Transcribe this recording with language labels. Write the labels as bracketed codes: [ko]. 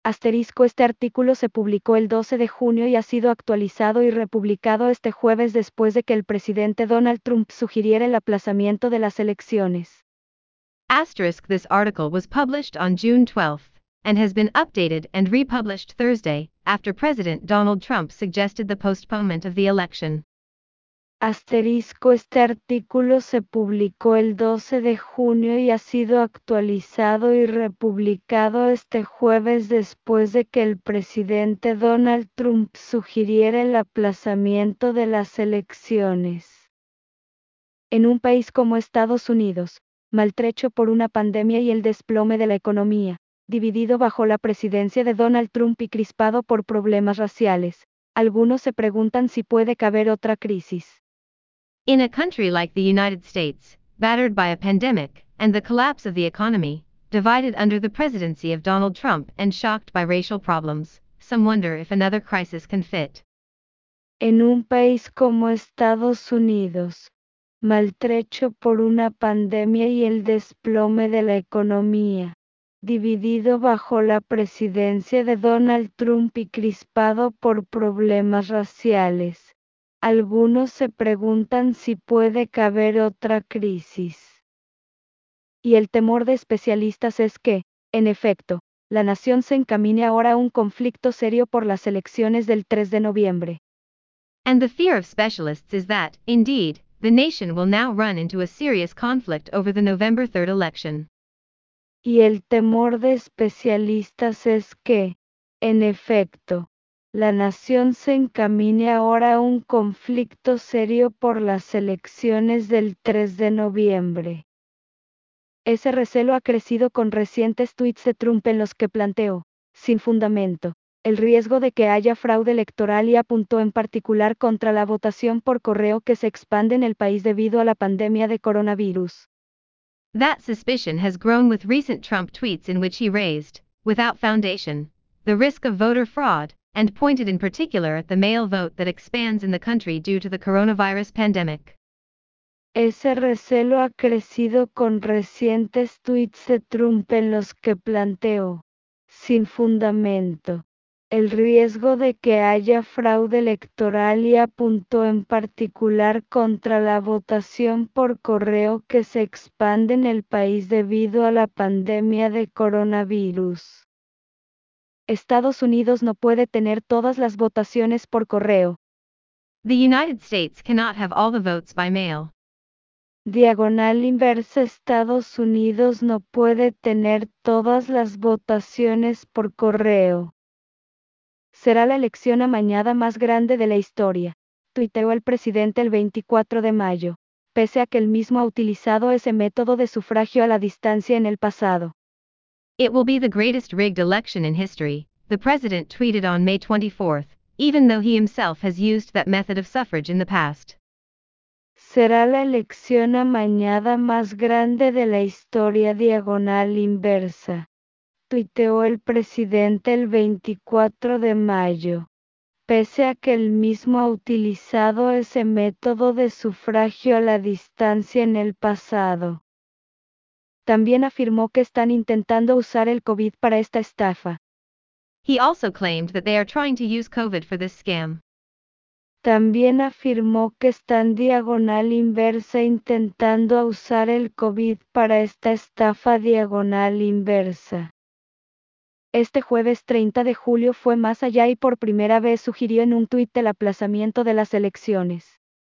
[es] Asterisco, este artículo se publicó el 12 de junio y ha sido actualizado y republicado este jueves después de que el presidente Donald Trump sugiriera el aplazamiento de las elecciones. [en] Asterisk, this article was published on June 12th and has been updated and republished Thursday after President Donald Trump suggested the postponement of the election. [es] Asterisco, este artículo se publicó el 12 de junio y ha sido actualizado y republicado este jueves después de que el presidente Donald Trump sugiriera el aplazamiento de las elecciones. En un país como Estados Unidos, maltrecho por una pandemia y el desplome de la economía, dividido bajo la presidencia de Donald Trump y crispado por problemas raciales, algunos se preguntan si puede caber otra crisis. [en] In a country like the United States, battered by a pandemic and the collapse of the economy, divided under the presidency of Donald Trump and shocked by racial problems, some wonder if another crisis can fit. [es] En un país como Estados Unidos, maltrecho por una pandemia y el desplome de la economía, dividido bajo la presidencia de Donald Trump y crispado por problemas raciales, algunos se preguntan si puede caber otra crisis. Y el temor de especialistas es que, en efecto, la nación se encamine ahora a un conflicto serio por las elecciones del 3 de noviembre. [en] And the fear of specialists is that, indeed, the nation will now run into a serious conflict over the November 3rd election. [es] Y el temor de especialistas es que, en efecto, la nación se encamine ahora a un conflicto serio por las elecciones del 3 de noviembre. Ese recelo ha crecido con recientes tweets de Trump en los que planteó, sin fundamento, el riesgo de que haya fraude electoral y apuntó en particular contra la votación por correo que se expande en el país debido a la pandemia de coronavirus. [en] That suspicion has grown with recent Trump tweets in which he raised, without foundation, the risk of voter fraud, and pointed in particular at the mail vote that expands in the country due to the coronavirus pandemic. [es] Ese recelo ha crecido con recientes tweets de Trump en los que planteó, sin fundamento, el riesgo de que haya fraude electoral y apuntó en particular contra la votación por correo que se expande en el país debido a la pandemia de coronavirus. Estados Unidos no puede tener todas las votaciones por correo. [en] The United States cannot have all the votes by mail. [es] Diagonal inversa, Estados Unidos no puede tener todas las votaciones por correo. Será la elección amañada más grande de la historia, tuiteó el presidente el 24 de mayo, pese a que él mismo ha utilizado ese método de sufragio a la distancia en el pasado. [en] It will be the greatest rigged election in history, the president tweeted on May 24, even though he himself has used that method of suffrage in the past. [es] Será la elección amañada más grande de la historia diagonal inversa, tuiteó el presidente el 24 de mayo, pese a que él mismo ha utilizado ese método de sufragio a la distancia en el pasado. También afirmó que están intentando usar el COVID para esta estafa. [en] He also claimed that they are trying to use COVID for this scam. [es] También afirmó que están diagonal inversa intentando usar el COVID para esta estafa diagonal inversa. Este jueves 30 de julio fue más allá y por primera vez sugirió en un tuit el aplazamiento de las elecciones.